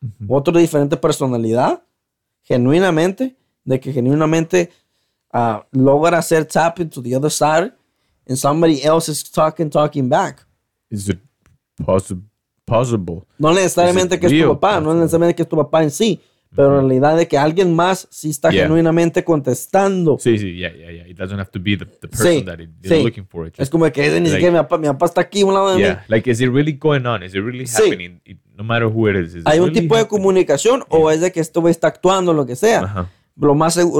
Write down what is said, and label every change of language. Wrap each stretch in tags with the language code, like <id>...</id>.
<es>Otro de diferente personalidad, genuinamente, de que genuinamente logra hacer</es> <en>tap into the other side and somebody else is talking back. Is it possible?</en> <es>No necesariamente que es tu papá, no necesariamente que es tu papá en sí, pero en realidad de que alguien más sí está genuinamente contestando. Sí, sí, yeah.</es> <en>It doesn't have to be the person that is looking for it.</en> <es>Es como que ni siquiera mi papá está aquí a un lado de mí.</es> <en>Yeah, like, is it really going on? Is it really happening? Sí. No matter who it is.</en> <es>¿Hay un tipo de comunicación o es de que esto está actuando lo que sea? Uh-huh.</es>